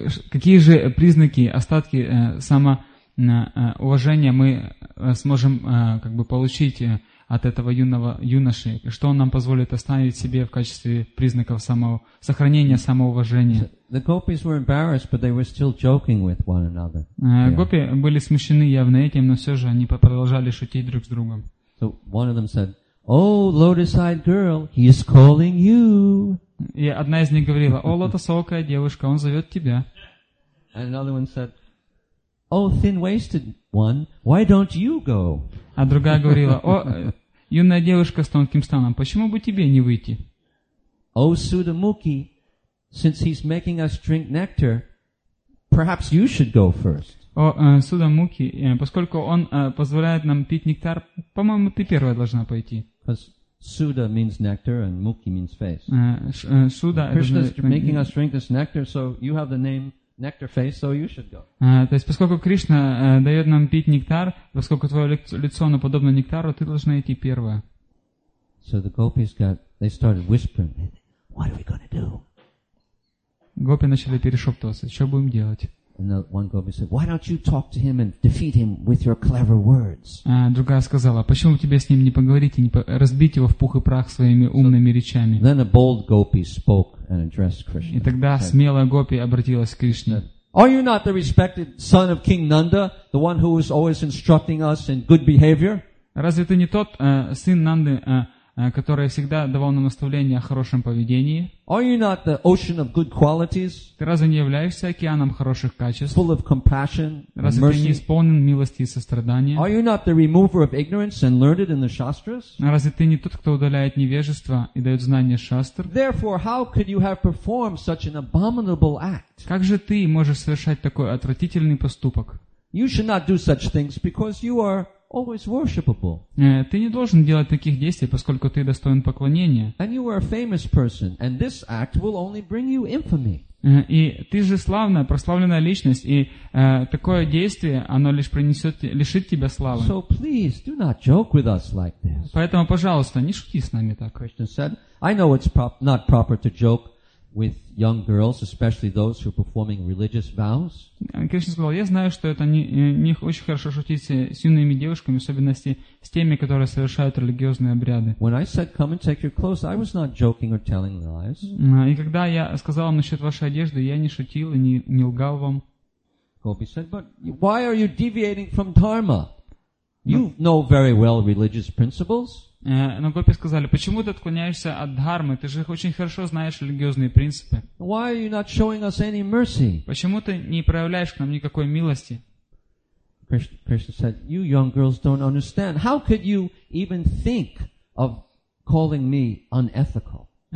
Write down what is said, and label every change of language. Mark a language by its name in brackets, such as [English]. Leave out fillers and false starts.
[Russian] Какие же признаки, остатки самоуважения мы сможем получить от этого юного юноши, что он нам позволит оставить себе в качестве признаков самого сохранения самоуважения. [English] The gopis were embarrassed, but they were still joking with one another. [Russian] Гопи были смущены явно этим, но все же они продолжали шутить друг с другом. [English] So one of them said, "Oh, lotus-eyed girl, he's calling you." [Russian] И одна из них говорила: "О, лотосокая девушка, он зовет тебя." [English] And another one said, "Oh, thin-waisted one, why don't you go?" [Russian] А другая говорила: "О, юная девушка с тонким станом, почему бы тебе не выйти?" [English] "Oh, Sudamuki, since he's making us drink nectar, perhaps you should go first." [Russian] "О, Судамуки, поскольку он позволяет нам пить нектар, по-моему, ты первая должна пойти." [English] Suda means nectar and Muki means face. Suda, Krishna's making us drink this nectar, so you have the name Nectar Face, so you should go. [Russian] То есть, поскольку Кришна дает нам пить нектар, поскольку твое лицо наподобно нектару, ты должна идти первая. [English] So the gopis got, they started whispering, "What are we going to do?" [Russian] Гопи начали перешептываться, что будем делать. [English] And one gopi said, "Why don't you talk to him and defeat him with your clever words?" [Russian] Другая сказала: "Почему тебе с ним не поговорить и не разбить его в пух и прах своими умными речами?" [English] Then a bold gopi spoke and addressed Krishna. [Russian] И тогда смелая гопи обратилась к Кришне. [English] "Are you not the respected son of King Nanda, the one who is always instructing us in good behavior?" [Russian] Разве ты не тот сын Нанды, который всегда давал нам наставления о хорошем поведении? [English] "Are you not the ocean of good qualities?" [Russian] Ты разве не являешься океаном хороших качеств? [English] "Full of compassion, [Russian] разве ты не исполнен милости и сострадания?" [English] "Are you not the remover of ignorance and learned in the shastras?" [Russian] Разве ты не тот, кто удаляет невежество и дает знания шастр? [English] "Therefore, how could you have performed such an abominable act?" [Russian] Как же ты можешь совершать такой отвратительный поступок? [English] "You should not do such things because you are always worshipable." [Russian] Ты не должен делать таких действий, поскольку ты достоин поклонения. [English] "And you are a famous person, and this act will only bring you infamy." [Russian] И ты же славная, прославленная личность, и такое действие, оно лишь принесет, лишит тебя славы. [English] "So please, do not joke with us like this." [Russian] Поэтому, пожалуйста, не шути с нами так. [English] Krishna said, "I know it's not proper to joke with young girls, especially those who are performing religious vows." [Russian] Кришна сказал: "Я знаю, что это не очень хорошо шутить с юными девушками, в особенности с теми, которые совершают религиозные обряды." [English] "When I said, 'Come and take your clothes,' I was not joking or telling lies." [Russian] И когда я сказал вам насчет вашей одежды, я не шутил и не лгал вам. [English] Gopi said, "But why are you deviating from dharma? You know very well religious principles." [Russian] Но гопи сказали: "Почему ты отклоняешься от дхармы? Ты же очень хорошо знаешь религиозные принципы. [English] Why are you not showing us any mercy?" [Russian] Почему ты не проявляешь к нам никакой милости? [English] Krishna said, "You young girls don't understand. How could you even think of calling me unethical?"